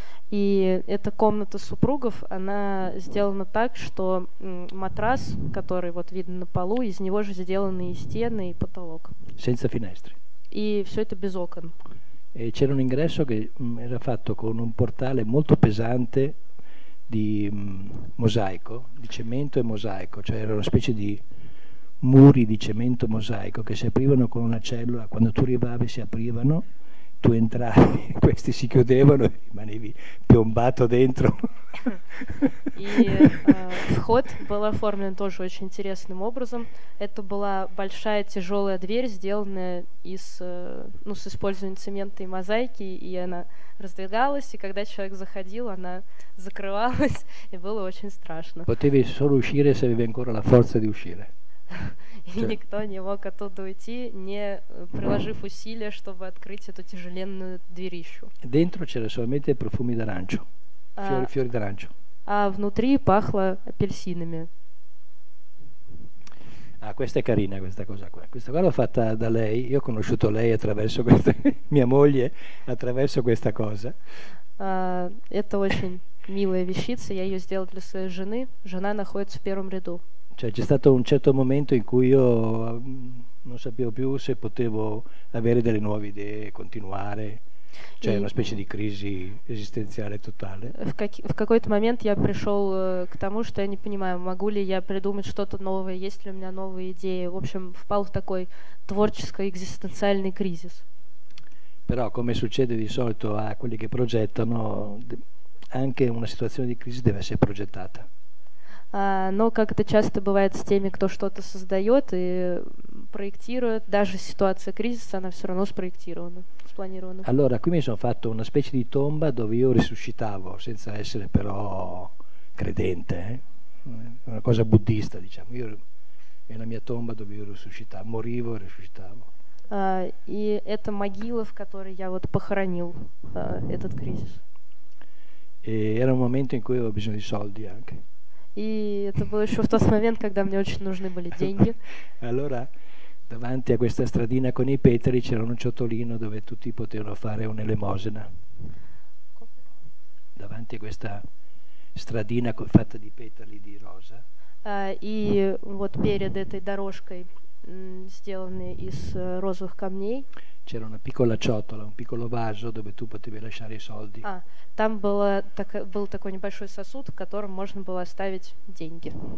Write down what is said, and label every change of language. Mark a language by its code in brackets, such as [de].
[ru] И эта комната супругов, она сделана так, что матрас, который вот видно на полу, из него же сделаны и стены, и потолок. [it] Senza finestre. [ru] И все это без окон. [it] E c'era un ingresso che era fatto con un portale molto pesante di mosaico, di cemento e mosaico, cioè era una specie di muri di cemento mosaico che si aprivano con una cellula, quando tu arrivavi si aprivano, tu entravi, questi si chiudevano e rimanevi piombato dentro. [ru] И вход был оформлен тоже очень интересным образом. Это была большая тяжелая дверь, сделанная с использованием цемента и мозаики, и она раздвигалась, и когда человек заходил, она закрывалась, и было очень страшно. [it] Potevi solo uscire se avevi ancora la forza di uscire. [ru] И никто не мог оттуда уйти, не приложив усилия, чтобы открыть эту тяжеленную дверищу. [it] Dentro c'era solamente profumi d'arancio. Fiori d'arancio. [ru] А внутри пахло апельсинами. [it] А, questa è carina questa cosa qua. Questa qua l'ho fatta da lei. Io ho conosciuto lei attraverso questa mia moglie attraverso questa cosa. [ru] Это очень милая вещица, я ее сделал для своей жены. Жена находится в первом ряду. [it] Cioè, c'è stato un certo momento in cui io non sapevo più se potevo avere delle nuove idee, continuare. Cioè, una specie di crisi esistenziale totale. [ru] В какой-то момент я пришел к тому, что я не понимаю, могу ли я придумать что-то новое, есть ли у меня новые идеи. В общем, впал в такой творческо-экзистенциальный кризис. [it] Però, come succede di solito a quelli che progettano, anche una situazione di crisi deve essere progettata. [ru] Но как это часто бывает с теми, кто что-то создает и проектирует, даже ситуация кризиса, она все равно спроектирована. [it] Allora, qui mi sono fatto una specie di tomba dove io risuscitavo, senza essere però credente, eh? Una cosa buddista, diciamo. Io è la mia tomba dove io risuscitavo, morivo e risuscitavo. E è la [ru] могила, [it] in cui io [ru] похоронил [it] questo crisis. E era un momento in cui avevo bisogno di soldi anche. [ru] E это было еще в тот момент, когда мне очень нужны были деньги. [it] Allora, davanti a questa stradina con i petali c'era un ciotolino dove tutti potevano fare un'elemosina. Davanti a questa stradina fatta di petali di rosa. [ru] И вот перед этой дорожкой, сделанной из розовых камней, [it] c'era una piccola ciotola, un piccolo vaso dove tu potevi lasciare i soldi. [ru] Там было был такой небольшой сосуд, в котором можно было оставить деньги.